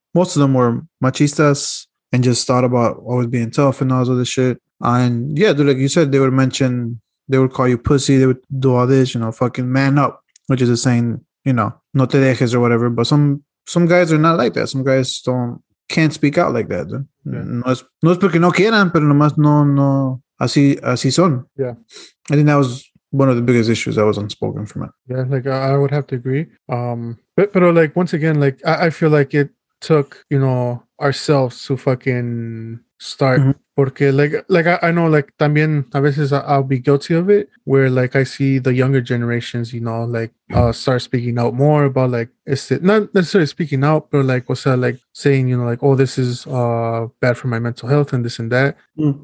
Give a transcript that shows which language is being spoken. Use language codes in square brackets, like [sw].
[en] Most of them were machistas and just thought about always being tough and all this other shit. And yeah, dude, like you said, they would mention, they would call you pussy, they would do all this, you know, fucking man up, which is a saying, you know, [es] no te dejes [en] or whatever. But some guys are not like that. Some guys can't speak out like that, dude. Yeah. [es] No es porque no quieran, pero nomás no, así son. [en] Yeah. I think that was one of the biggest issues that was unspoken for me. Yeah, like, I would have to agree. But like, once again, like, I feel like it took, you know, ourselves to fucking start. Mm-hmm. [es] Porque [en] like I know, like, [es] también a veces [en] I'll be guilty of it, where like I see the younger generations, you know, like start speaking out more about, like, is it not necessarily speaking out, but like, what's that, like, saying, you know, like, oh, this is bad for my mental health and this and that. Mm.